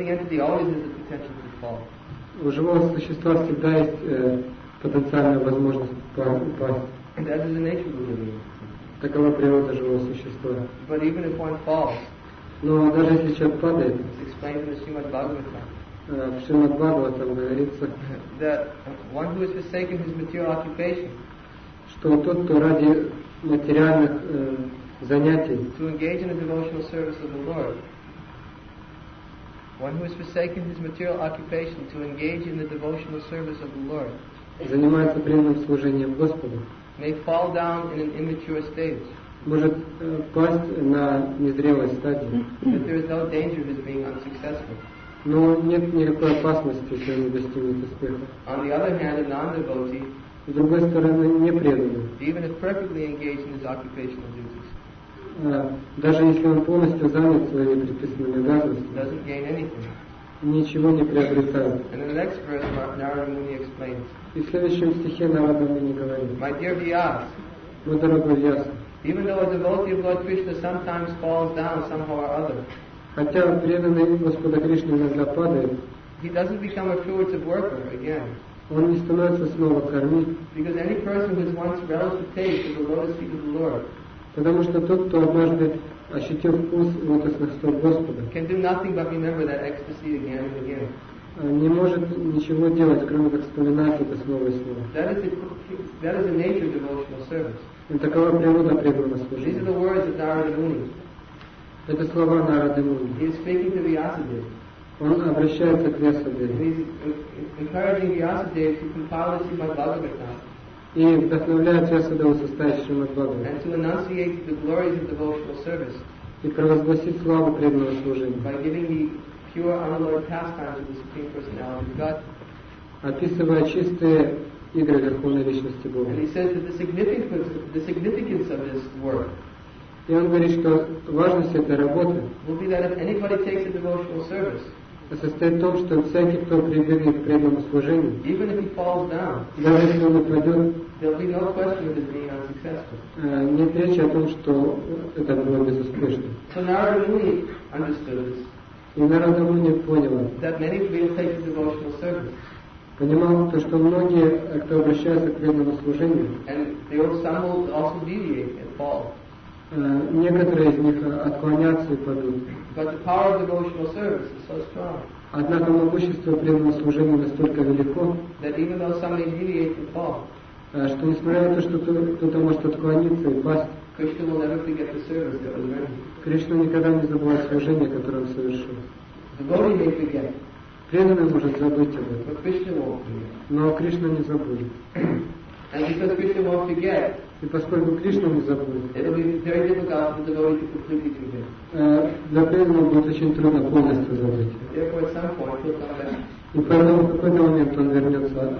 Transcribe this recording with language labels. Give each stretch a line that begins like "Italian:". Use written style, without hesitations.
Russian: У живого существа всегда есть потенциальная возможность упасть. Такова природа живого существа.
English: But even if one falls,
Russian: но даже если человек падает,
English: it's explained in the Srimad Bhagavatam,
Russian: в Шримад Бхагаватам говорится,
English: that one who has forsaken his material occupation,
Russian: что тот, кто ради материальных занятий.
English: To engage in a devotional service of the Lord. One who has forsaken his material occupation to engage in the devotional service of the Lord.
Russian: занимается преданным служением Господу,
English: may fall down in an immature stage.
Russian: Может пасть на незрелой стадии.
English: But there is no danger of his being unsuccessful.
Russian: Но нет никакой опасности, если он не достигнет успеха.
English: On the other hand, a non-devotee,
Russian: с другой стороны, не преданный,
English: even if perfectly engaged in his occupational duties,
Russian: даже если он полностью занят своими предписанными обязанностями,
English: doesn't gain anything.
Russian: Ничего не приобретают.
English: And in the next verse, Narada Muni explains.
Russian: И в следующем стихе Нарада Муни говорит.
English: My dear Vyas,
Russian: мой дорогой Вьяс,
English: even though a devotee of Lord Krishna sometimes falls down somehow or other,
Russian: хотя преданный Господа Кришны иногда падает,
English: he doesn't become a fruitive worker again.
Russian: Он не становится снова кармит.
English: Because any person who has once relished the taste of the lotus feet of the Lord,
Russian: потому что тот, кто однажды ощутил вкус лотосных стоп Господа,
English: can do nothing but remember that ecstasy again and again.
Russian: Не может ничего делать, кроме как вспоминать это снова и снова.
English: That is the nature of devotional service.
Russian: И такова природа преданного служения.
English: These are the words of Narada Muni.
Russian: Это слова Нарады Муни.
English: He is speaking to Vyasadeva.
Russian: Он обращается к Вьясадеве.
English: He is encouraging Vyasadeva to compile the Srimad Bhagavatam.
Russian: И вдохновляет Вьясадеву составить Шримад Бхагаватам.
English: And to enunciate the glories of devotional service.
Russian: И провозгласить славу преданного служения.
English: By giving the pure unalloyed pastimes of the Supreme Personality of God.
Russian: Описывая чистые игры Верховной Личности Бога.
English: And he says that the significance of this work.
Russian: И он говорит, что важность этой работы
English: will be that if anybody takes a devotional service,
Russian: состоит в том, что всякий, кто прибегает к преданному служению,
English: even if he falls down,
Russian: даже если он упадет,
English: there will be no question of his being unsuccessful.
Russian: Нет речи о том, что это было безуспешно.
English: So Narada Muni understood this.
Russian: И Нарада Муни понял,
English: that many people take a devotional service.
Russian: Понимал то, что многие, кто обращается к преданному служению,
English: and they will, some will also deviate and fall.
Russian: Некоторые из них отклонятся и падут.
English: But the power of devotional service is so strong.
Russian: Однако могущество преданного служения настолько велико,
English: that even though some may deviate and fall,
Russian: что несмотря на то, что кто-то может отклониться и пасть,
English: Krishna will never forget the service that was rendered.
Russian: Кришна никогда не забывает служение, которое он совершил.
English: Devotee may forget.
Russian: Преданный может забыть об этом.
English: But Krishna won't forget.
Russian: Но Кришна не забудет.
English: And because Krishna won't forget,
Russian: и поскольку Кришну не забудет,
English: it'll be very difficult for the devotee to completely forget.
Russian: Для преданного будет очень трудно полностью забыть.
English: Therefore, at some point, he'll come back.
Russian: И поэтому в какой-то момент он вернется от